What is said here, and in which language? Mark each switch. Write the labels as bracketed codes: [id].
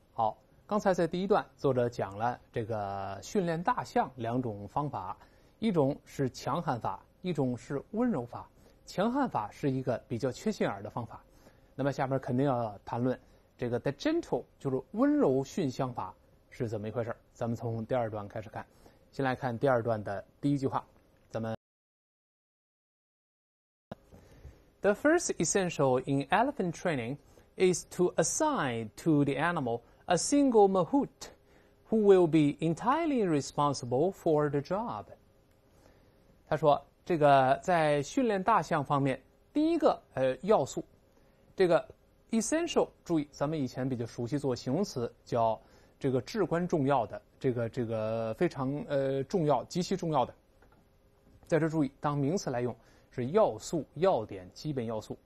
[zh] 好，刚才在第一段，作者讲了这个训练大象两种方法，一种是强悍法，一种是温柔法。强悍法是一个比较缺心眼的方法。那么下面肯定要谈论这个 [en] the gentle， [zh] 就是温柔驯象法是怎么一回事。咱们从第二段开始看，先来看第二段的第一句话。咱们 [en] The first essential in elephant training is to assign to the animal a single mahout who will be entirely responsible for the job. [zh] 他说这个在训练大象方面第一个要素，这个 essential， 注意咱们以前比较熟悉做形容词叫这个至关重要的，这个非常重要，极其重要的，在这注意当名词来用，是要素、要点、基本要素。